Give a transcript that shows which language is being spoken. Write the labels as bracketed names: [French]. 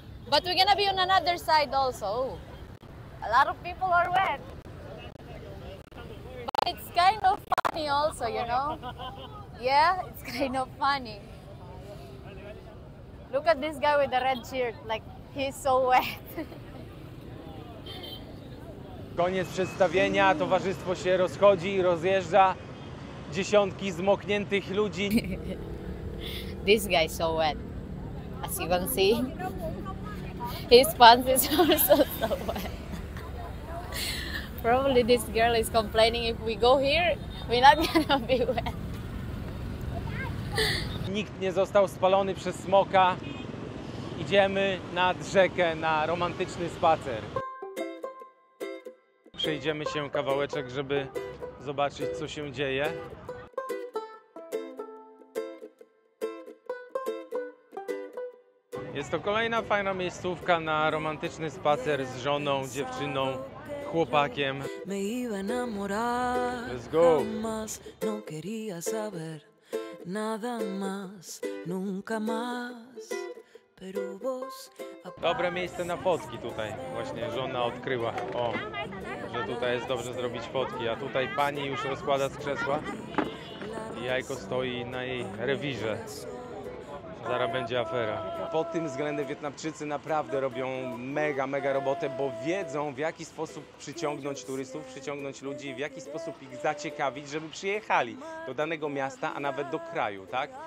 [English] But we're gonna be on another side also. A lot of people are wet. But it's kind of also, you know? Yeah, it's kind of funny. Look at this guy with the red shirt, like he's so wet. [Polish] Koniec przedstawienia, towarzystwo się rozchodzi, rozjeżdża. Dziesiątki zmokniętych ludzi. [English] This guy is so wet. As you can see, his pants is also so wet. Probably this girl is complaining if we go here. We're not gonna be wet. [Polish] Nikt nie został spalony przez smoka. Idziemy nad rzekę na romantyczny spacer. Przejdziemy się kawałeczek, żeby zobaczyć, co się dzieje. Jest to kolejna fajna miejscówka na romantyczny spacer z żoną, dziewczyną. Chłopakiem. [Spanish] Me iba a enamorar. [English] Let's go. [Spanish] Jamás no quería saber nada más, nunca más. Pero vos. [Polish] Dobre miejsce na fotki tutaj. Właśnie żona odkryła, o, że tutaj jest dobrze zrobić fotki. A tutaj pani już rozkłada z krzesła. I jajko stoi na jej rewirze. Zaraz będzie afera. Pod tym względem Wietnamczycy naprawdę robią mega, mega robotę, bo wiedzą, w jaki sposób przyciągnąć turystów, przyciągnąć ludzi, w jaki sposób ich zaciekawić, żeby przyjechali do danego miasta, a nawet do kraju, tak?